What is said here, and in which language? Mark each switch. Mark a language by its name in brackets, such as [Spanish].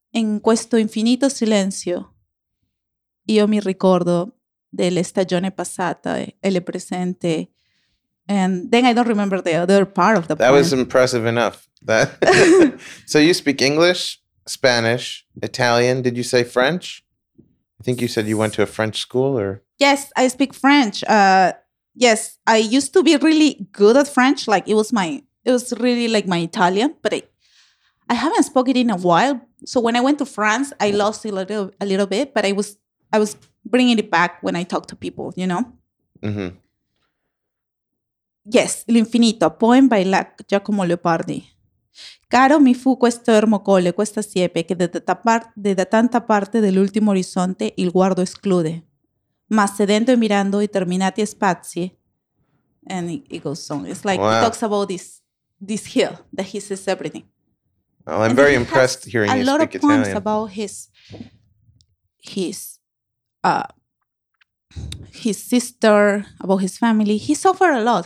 [Italian] In questo infinito silenzio io mi ricordo delle stagioni passate e le presente. [English] And then I don't remember the other part of the poem. That was impressive enough. So you speak English, Spanish, Italian. Did you say French? I think you said you went to a French school or? Yes, I speak French. Yes, I used to be really good at French. Like it was really like my Italian, but I haven't spoken it in a while. So when I went to France, I lost a little bit, but I was bringing it back when I talked to people, you know? Mm-hmm. Yes, L'Infinito, a poem by Giacomo Leopardi. [Italian] Caro mi fu questo ermo colle, questa siepe, che da tanta parte dell'ultimo orizzonte il guardo esclude. Ma sedendo e mirando determinati spazi. [English] And it goes on. It's like, wow. He talks about this hill, that he sees everything. Well, I'm very impressed hearing you speak Italian. A lot of poems about his sister, about his family. He suffered a lot.